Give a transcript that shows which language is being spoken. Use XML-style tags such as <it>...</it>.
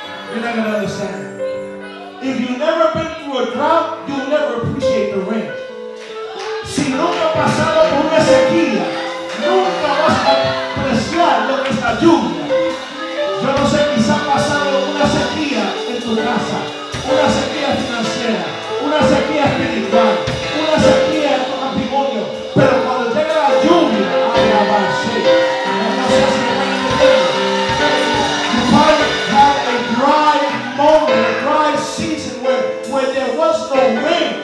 <en>You're not gonna understand. If you've never been through a drought, you'll never appreciate the rain.</en> <es>Si nunca has pasado por una sequía, nunca vas a apreciar lo que es la lluvia. Yo no sé, quizás has pasado una sequía en tu casa. Una sequía financiera, una sequía espiritual, una sequía en tu matrimonio, pero cuando llega la lluvia, hay avance.</es> <en>You might have a dry moment, a dry season where there was no rain.</en>